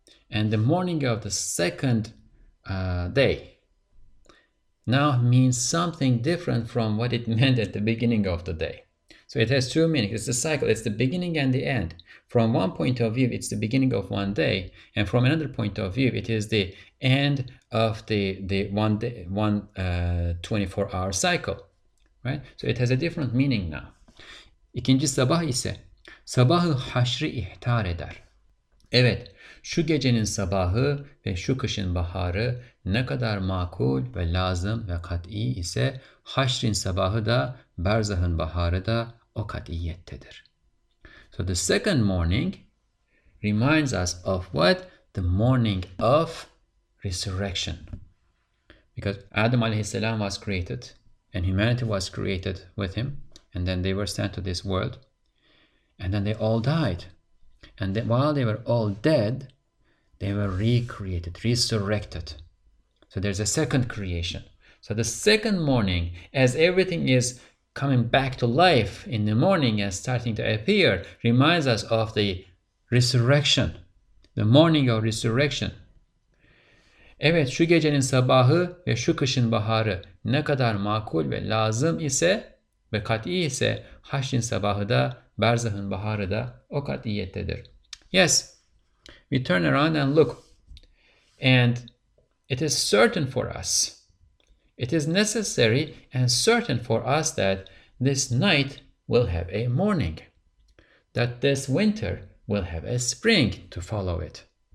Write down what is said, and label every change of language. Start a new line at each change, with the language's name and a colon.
English: And the morning of the second day now means something different from what it meant at the beginning of the day. So it has two meanings. It's a cycle. It's the beginning and the end. From one point of view, it's the beginning of one day. And from another point of view, it is the end of the one day, 24-hour cycle. Right? So it has a different meaning now.
Turkish: İkinci sabah ise sabahı haşrı ihtar eder. Evet, şu gecenin sabahı ve şu kışın baharı ne kadar makul ve lazım ve kat'i ise haşrin sabahı da berzahın baharı da o kat'iyettedir.
English: So the second morning reminds us of what? The morning of resurrection. Because Adam aleyhisselam was created and humanity was created with him and then they were sent to this world. And then they all died. And then while they were all dead, they were recreated, resurrected. So there's a second creation. So the second morning, as everything is coming back to life in the morning and starting to appear, reminds us of the resurrection, the morning of resurrection.
Turkish: Evet, şu gecenin sabahı ve şu kışın baharı ne kadar makul ve lazım ise ve kat'i ise haşrin sabahı da Berzahın baharı da o katiyettedir.
English: Yes, we turn around and look. And it is certain for us. It is necessary and certain for us that this night will have a morning. That this winter will have a spring to follow it.